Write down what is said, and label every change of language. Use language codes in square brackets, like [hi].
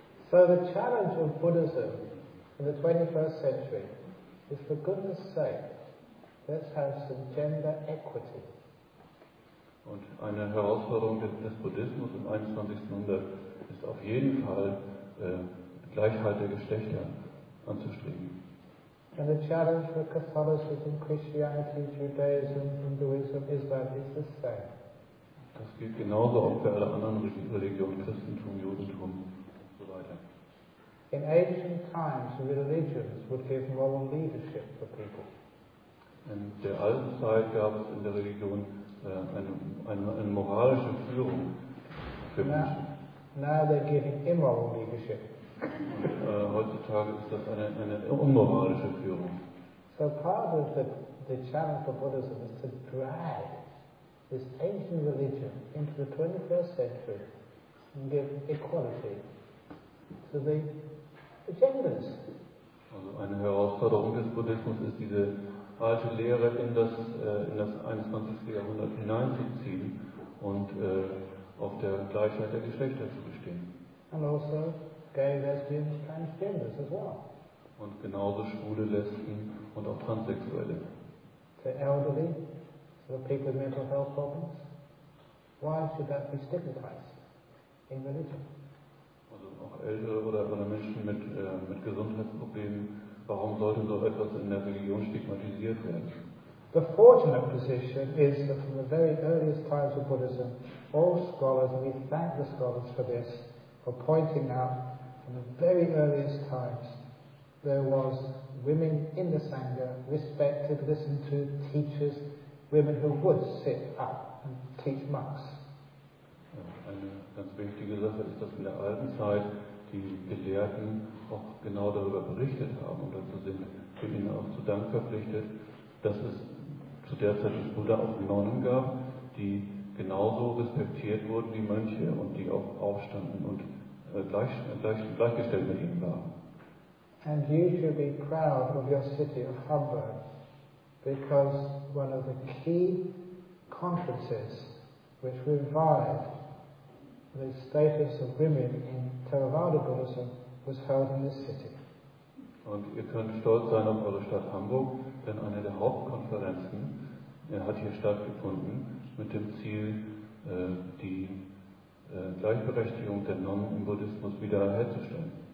[en] So the challenge of Buddhism in the 21st century is, for goodness sake, let's have some gender equity. [de] Und eine Herausforderung des Buddhismus im 21. Jahrhundert ist auf jeden Fall, Gleichheit der Geschlechter anzustreben. [en] And the challenge for Catholicism, Christianity, Judaism, Hinduism, Islam is the same. [de] Das gilt genauso auch für alle anderen Religionen, Christentum, Judentum und so weiter. [en] In ancient times, religions would give moral leadership for people. [de] In der alten Zeit gab es in der Religion eine moralische Führung für Menschen. [en] Now they're giving immoral leadership. [de] Heutzutage ist das eine unmoralische Führung. [en] So part of the challenge for Buddhism is to drag this ancient religion into the 21st century and give equality to the agendas. [de] Also eine Herausforderung des Buddhismus ist, diese alte Lehre in das 21. Jahrhundert hineinzuziehen und auf der Gleichheit der Geschlechter zu bestehen. [en] And also gay, lesbian, transgenders as well. [de] Und genauso schwule, Lesben und auch Transsexuelle. [en] The elderly, the people with mental health problems. Why should that be stigmatized in religion? [de] Also auch ältere oder Menschen mit Gesundheitsproblemen. Warum sollte so etwas in der Religion stigmatisiert werden? [en] The fortunate position is that from the very earliest times of Buddhism, all scholars, and we thank the scholars for this, for pointing out from the very earliest times there was women in the Sangha, respected, listened to, teachers, women who would sit up and teach monks. [de] Eine ganz wichtige Sache ist, dass in der alten Zeit die Gelehrten auch genau darüber berichtet haben und dazu sind wir ihnen auch zu Dank verpflichtet, dass es zu der Zeit des Buddha auch Nonnen gab, die genauso respektiert wurden wie Mönche und die auch aufstanden und gleichgestellt mit ihnen waren. [en] And you should be proud of your city of Hamburg, because one of the key conferences which revived the status of women in Theravada Buddhism was held in this city. [de] Und ihr könnt stolz sein auf eure Stadt Hamburg, denn eine der Hauptkonferenzen hat hier stattgefunden mit dem Ziel, die Gleichberechtigung der Nonnen im Buddhismus wiederherzustellen.